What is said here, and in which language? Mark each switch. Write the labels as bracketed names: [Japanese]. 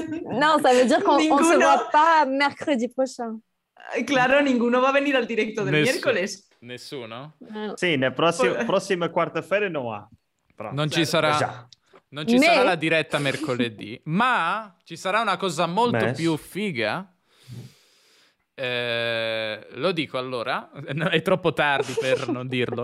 [French] Non, ça veut dire qu'on ne se voit pas mercredi prochain. [Spanish] Claro, ninguno va a venir al directo del miércoles. [Italian] Nessuno? Sì, prossima quarta-feira non ha. Non ci sarà. Non ci sarà la diretta mercoledì, ma ci sarà una cosa molto più figa. Lo dico allora, no, è troppo tardi per non dirlo.